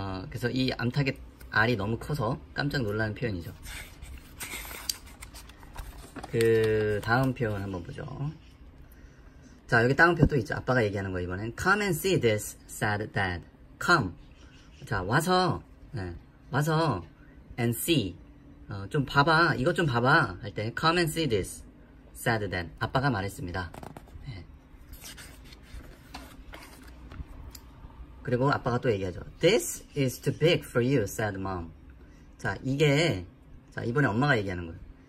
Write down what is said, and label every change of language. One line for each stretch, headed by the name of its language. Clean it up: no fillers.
Korean: 그래서 이 암탉의 알이 너무 커서 깜짝 놀라는 표현이죠. 그 다음 표현 한번 보죠. 자, 여기 따옴표 또 있죠. 아빠가 얘기하는 거 이번엔.
English: Come and see this, said dad. Come.
Korean: 자, 와서. 네. 와서
English: and see.
Korean: 좀 봐봐. 이것 좀 봐봐. 할 때
English: Come and see this, said dad.
Korean: 아빠가 말했습니다. 네. 그리고 아빠가 또 얘기하죠.
English: This is too big for you, said mom.
Korean: 자, 이게 자 이번에 엄마가 얘기하는 거예요.